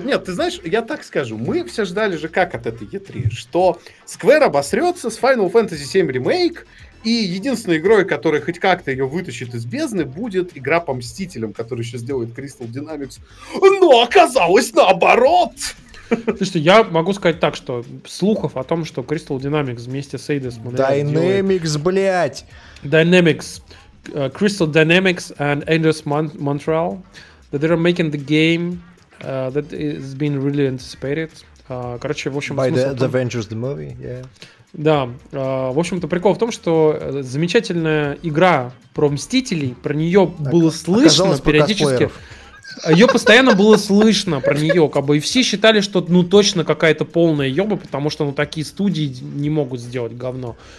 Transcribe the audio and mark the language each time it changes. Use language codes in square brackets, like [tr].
[ru] Нет, ты знаешь, я так скажу. Мы все ждали же как от этой E3, что Square обосрется с Final Fantasy VII Remake, и единственной игрой, которая хоть как-то ее вытащит из бездны, будет игра по Мстителям, которую сейчас делает Crystal Dynamics. Но оказалось наоборот! Слушайте, я могу сказать так, что слухов о том, что Crystal Dynamics вместе с Eidos... Dynamics, блять! Dynamics... [en] Crystal Dynamics and Eidos Montreal, that they are making the game that has been really anticipated. [ru] Короче, в общем, [en] by the [ru] том... [en] Avengers the movie, yeah. [ru] Да, в общем-то, прикол в том, что замечательная игра про Мстителей, про нее было слышно периодически. Ее постоянно было слышно про нее, как бы, и все считали, что ну точно какая-то полная ёба, потому что ну такие студии не могут сделать говно.